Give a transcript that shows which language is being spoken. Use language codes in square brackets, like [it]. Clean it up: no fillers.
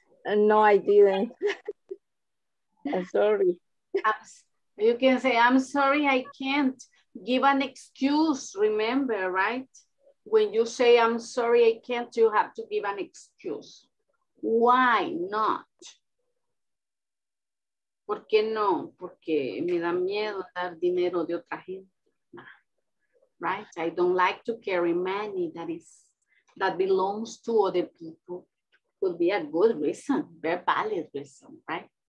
[en] No, I didn't. I'm sorry. You can say, I'm sorry, I can't. Give an excuse, remember, right? When you say, I'm sorry, I can't, you have to give an excuse. Why not? [es] ¿Por qué no? Porque me da miedo dar dinero de otra gente. [en] Right? I don't like to carry money that belongs to other people. Could be a good reason, very valid reason, right?